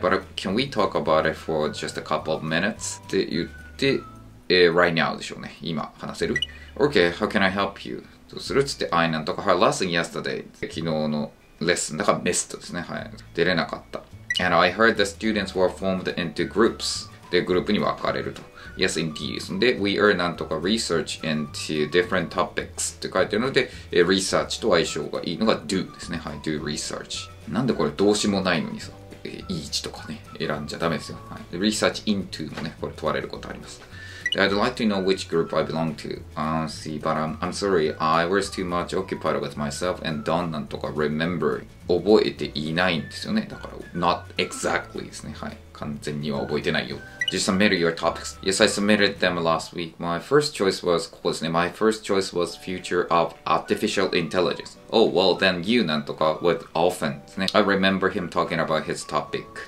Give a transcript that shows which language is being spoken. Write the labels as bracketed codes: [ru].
[en] But can we talk about it for just a couple of minutes? [ja] って言って、 [en] Right now [ja] でしょうね。今話せる。 [en] OK, how can I help you? [ja] どうするっつって、 [en] I [ja] なんとか、 [en] her lesson yesterday. [ja] 昨日のレッスン、だから missed ですね。はい。出れなかった。 [en] And I heard the students were formed into groups. [ja] で、グループに分かれると。 [en] Yes, indeed. [ja] で、 [en] we are [ja] なんとか [en] research into different topics [ja] って書いてるので、 [en] research [ja] と相性がいいのが [en] do [ja] ですね。はい。 [en] do research。 [ja] なんでこれ動詞もないのにさ、each とかね、選んじゃダメですよ。はい。 [en] research into [ja] もね、これ問われることあります。 [en] I'd like to know which group I belong to. See, but I'm sorry, I was too much occupied with myself and don't [ja] なんとか [en] remember. [ja] 覚えていないんですよね。だから、 [en] not exactly [ja] ですね。はい。完全には覚えてないよ。 [en] Did you submit your topics? Yes, I submitted them last week. My first choice was, [ja] ここですね。 [en] My first choice was future of artificial intelligence. Oh, well, then you [ja] なんとか [en] with often [ja] ですね。 [en] I remember him talking about his topic.